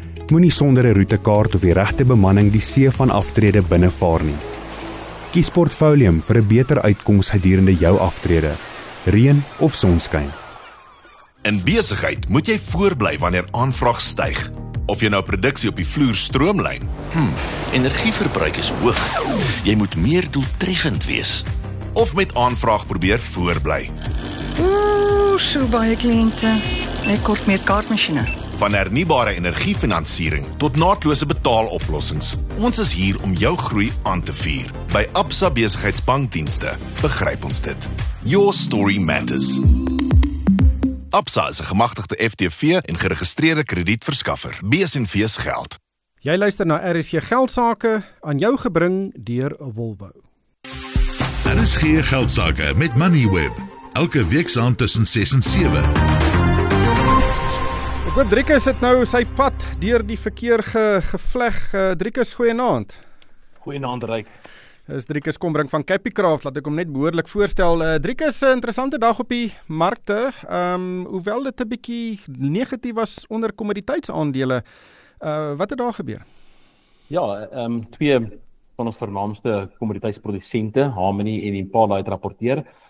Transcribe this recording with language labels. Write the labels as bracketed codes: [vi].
[af] Moenie sonder 'n roetekaart of die regte bemanning die see van aftrede binnevaar nie. Kies Portfolium vir 'n beter uitkoms gedurende jou aftrede, reën of sonskyn. In besigheid moet jy voorbly wanneer aanvraag styg. Of jy nou produksie op die vloer stroomlyn. Energieverbruik is hoog. Jy moet meer doeltreffend wees. Of met aanvraag probeer voorbly. Ooh, so baie kliënte. Ek kort meer kaartmasjiene. Van hernubare energiefinansiering tot naadlose betaaloplossings. Ons is hier om jou groei aan te vuur. By Absa Besigheidsbankdienste begryp ons dit. [en] Your story matters. [af] Absa is 'n gemagtigde FTV en geregistreerde kredietverskaffer. BSNV's geld. Jy luister na RSG Geldsaake, aan jou gebring deur Volvo. RSG Geldsaake met Moneyweb. Elke week saam tussen 6 en 7. Ek hoor Driekus sit nou sy pad deur die verkeer gevleg. Driekus, goeienaand. Goeienaand, Ryk. Dis Driekus Kombrink van Capicraft, laat ek hom net behoorlik voorstel. Driekus, 'n interessante dag op die markte. Hoewel dit 'n bietjie negatief was onder kommoditeitsaandele. Wat het daar gebeur? Ja, twee van ons vernaamste kommoditeitsprodusente, Harmony en Impala, het rapporteer.